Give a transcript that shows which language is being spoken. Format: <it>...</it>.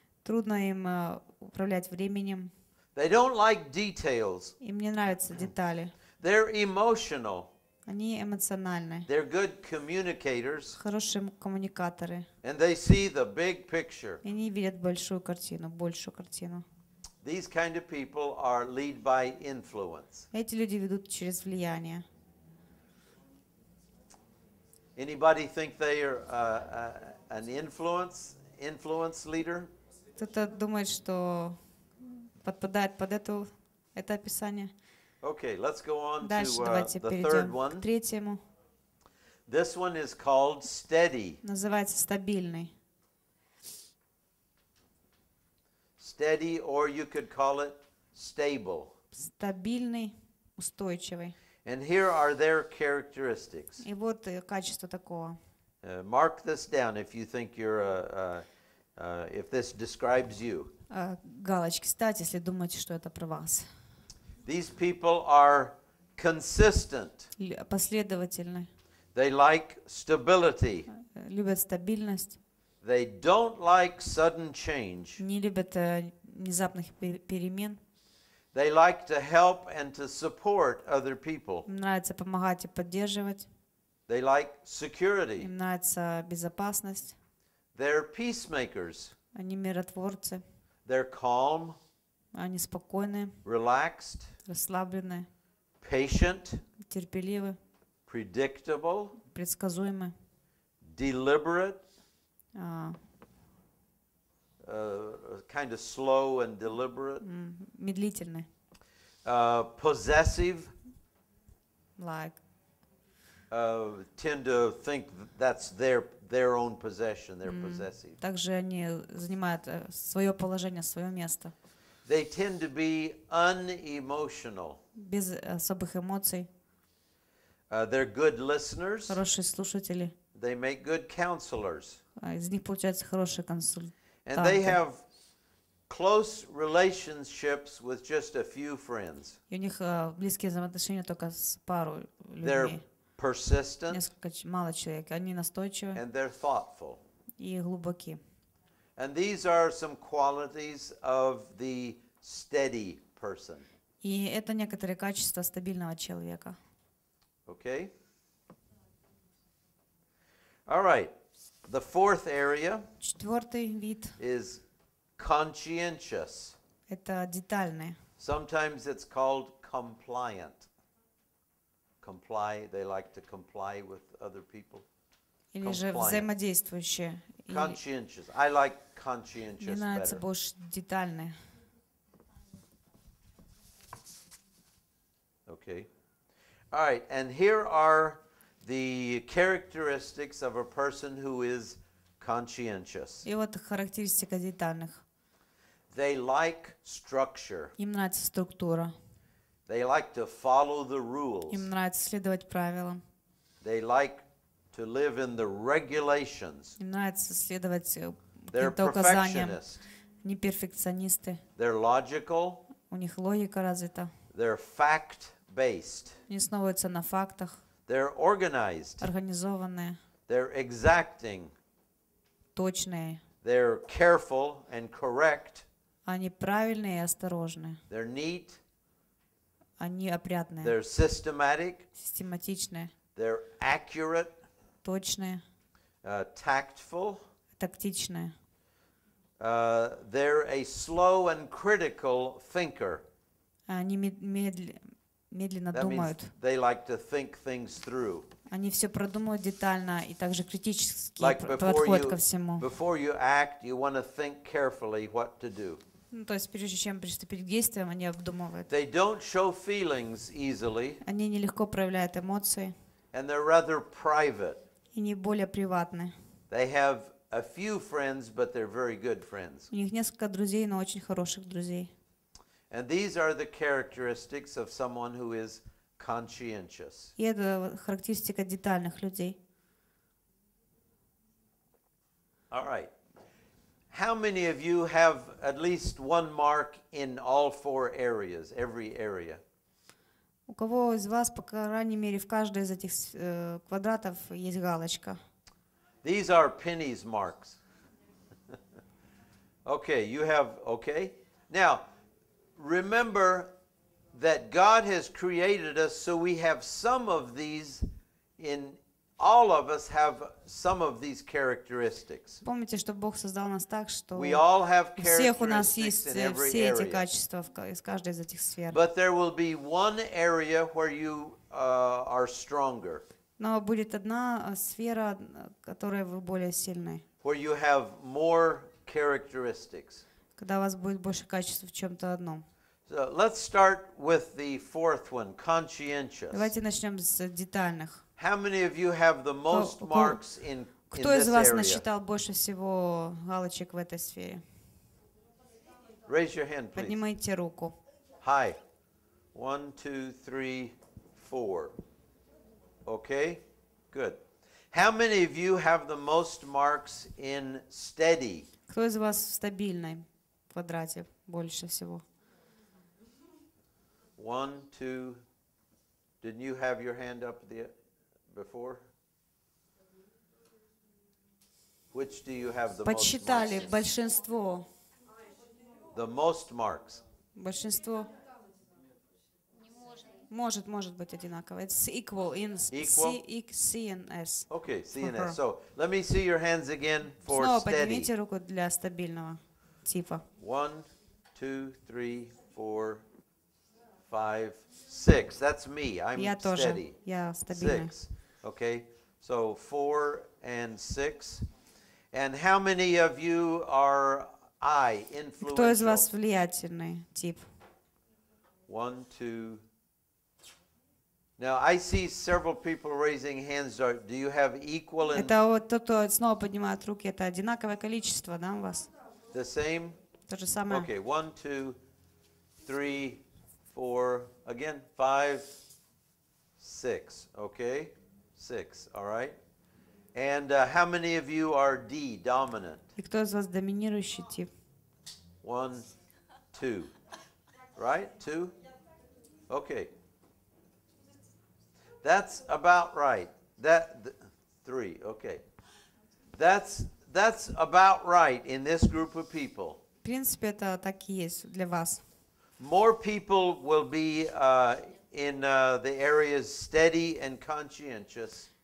<ru>Трудно им управлять временем.</ru> <en>They don't like details.</en> <ru>Им не нравятся детали.</ru> <en>They're emotional.</en> <ru>Они эмоциональны.</ru> <en>They're good communicators.</en> <ru>Хорошие коммуникаторы.</ru> <en>And they see the big picture.</en> <ru>Они видят большую картину, большую картину.</ru> <en>These kind of people are lead by influence.</en> <ru>Эти люди ведут через влияние.</ru> <en>Anybody think they are an influence leader?</en> <ru>Кто-то думает, что подпадает под эту это описание.</ru> <en>Okay, let's go on</en> <ru>дальше,</ru> <en>to the third one.</en> <ru>К третьему.</ru> <en>This one is called steady.</en> <ru>Называется стабильный.</ru> <en>Steady, or you could call it stable.</en> <ru>Стабильный, устойчивый.</ru> <en>And here are their characteristics.</en> <ru>И вот качество такого.</ru> <en>Mark this down if you think you're if this describes you.</en> <ru>Галочки ставьте, если думаете, что это про вас.</ru> <en>These people are consistent.</en> <ru>Последовательны.</ru> <en>They like stability.</en> <ru>Любят стабильность.</ru> <en>They don't like sudden change.</en> <ru>Не любят внезапных перемен.</ru> <en>They like to help and to support other people.</en> <ru>Нравится помогать и поддерживать.</ru> <en>They like security.</en> <ru>Им нравится безопасность.</ru> <en>They're peacemakers.</en> <ru>Они миротворцы.</ru> <en>They're calm.</en> <ru>Они спокойны.</ru> <en>Relaxed.</en> <ru>Расслаблены.</ru> <en>Patient.</en> <ru>Терпеливы.</ru> <en>Predictable.</en> <ru>Предсказуемы.</ru> <en>Deliberate. Kind of slow and deliberate.</en> <ru>Медлительны.</ru> <en>Possessive. Like. tend to think that's their own possession, their possessive.</en> <ru>Также они занимают своё положение, своё место.</ru> <en>They tend to be unemotional.</en> <ru>Без особых эмоций.</ru> <en>They're good listeners.</en> <ru>Хорошие слушатели.</ru> <en>They make good counselors.</en> <ru>Из них получаются хорошие консультанты.</ru> <en>And they have close relationships with just a few friends.</en> <ru>У них близкие взаимоотношения только с парой людей.</ru> <en>They're persistent.</en> <ru>Несколько мало человек. Они настойчивы.</ru> <en>And they're thoughtful.</en> <ru>И глубоки.</ru> <en>And these are some qualities of the steady person.</en> <ru>И это некоторые качества стабильного человека.</ru> <en>Okay. All right. The fourth area.</en> <ru>Четвёртый вид.</ru> <en>Is conscientious.</en> <ru>Это детальные.</ru> <en>Sometimes it's called compliant. Comply, they like to comply with other people.</en> <ru>Или же взаимодействующие.</ru> <en>Conscientious. I like conscientious better.</en> <ru>Мне нравится больше детальные.</ru> <en>Okay. All right, and here are the characteristics of a person who is conscientious.</en> <ru>И вот характеристика детальных.</ru> <en>They like structure.</en> <ru>Им нравится структура.</ru> <en>They like to follow the rules.</en> <ru>Им нравится следовать правилам.</ru> <en>They like to live in the regulations.</en> <ru>Им нравится следовать каким-то указаниям. Не перфекционисты.</ru> <en>They're logical.</en> <ru>У них логика развита.</ru> <en>They're fact based.</en> <ru>Они основываются на фактах.</ru> <en>They're organized.</en> <ru>Организованные.</ru> <en>They're exacting.</en> <ru>Точные.</ru> <en>They're careful and correct.</en> <ru>Они правильные и осторожные.</ru> <en>They're neat.</en> <ru>Они опрятные.</ru> <en>They're systematic.</en> <ru>Систематичные.</ru> <en>They're accurate.</en> <ru>Точные.</ru> <en>Tactful.</en> <ru>Тактичные.</ru> <en>They're a slow and critical thinker.</en> <ru>Они медленно</ru> <en>that</en> <ru>думают.</ru> <en>Means they like to think things through.</en> <ru>Они все продумывают детально и также критически подходят ко всему.</ru> <en>Before you act, you want to think carefully what to do.</en> <ru>Ну, то есть прежде чем приступить к действиям, они обдумывают.</ru> <en>They don't show feelings easily.</en> <ru>Они нелегко проявляют эмоции.</ru> <en>And they're rather private.</en> <ru>И не более приватны.</ru> <en>They have a few friends, but they're very good friends.</en> <ru>У них несколько друзей, но очень хороших друзей.</ru> <en>And these are the characteristics of someone who is conscientious.</en> <ru>И это характеристика детальных людей.</ru> <en>All right. How many of you have at least one mark in all four areas, every area?</en> <ru>У кого из вас, по крайней мере, в каждой из этих квадратов есть галочка?</ru> <en>These are Penny's marks. Okay, you have, okay. Now, remember that God has created us, so we have some of these in all of us have some of these characteristics.</en> <ru>Помните, что Бог создал нас так, что</ru> <en>we all have characteristics in every area. But there will be one area where you are stronger.</en> <ru>Но будет одна сфера, которая вы более сильны.</ru> <en>Where you have more characteristics.</en> <ru>Когда у вас будет больше качеств в чем-то одном.</ru> <en>So let's start with the fourth one, conscientious.</en> <ru>Давайте начнем с детальных.</ru> <en>How many of you have the most marks in this area?</en> <ru>Кто из вас насчитал больше всего галочек в этой сфере?</ru> <en>Raise your hand, please.</en> <ru>Поднимайте руку.</ru> <en>Hi. 1, 2, 3, 4. Okay, good. How many of you have the most marks in steady?</en> <ru>Кто из вас в стабильной квадрате больше всего?</ru> <en>1, 2. Didn't you have your hand up the before? Which do you have the</en> <ru>подсчитали</ru> <en>most marks?</en> <ru>Большинство.</ru> <en>The most marks.</en> <ru>Большинство. Может быть одинаково.</ru> <en>It's equal in CNS. Okay, CNS. So let me see your hands again for</en> <ru>снова</ru> <en>steady.</en> <ru>Снова поднимите руку для стабильного типа.</ru> <en>1, 2, 3, 4, 5, 6. That's me. I'm</en> <ru>я</ru> <en>steady.</en> <ru>Тоже. Я стабильный.</ru> <en>6. Okay, so 4 and 6. And how many of you are I, influential?</en> <ru>Кто из вас влиятельный тип?</ru> <en>One, two. Now I see several people raising hands. Do you have equal in?</en> <ru>Это вот тот, кто снова поднимает руки, это одинаковое количество, да, у вас?</ru> <en>The same.</en> <ru>То же самое.</ru> <en>Okay, 1, 2, 3, 4, again, 5, 6. Okay, 6. All right. And how many of you are D, dominant? И кто из вас доминирующий тип? 1, 2. Right, 2. Okay. That's about right. That 3. Okay. That's about right in this group of people.</en> <ru>В принципе, это так и есть для вас.</ru> <en>More people will be in the areas steady and conscientious.</en>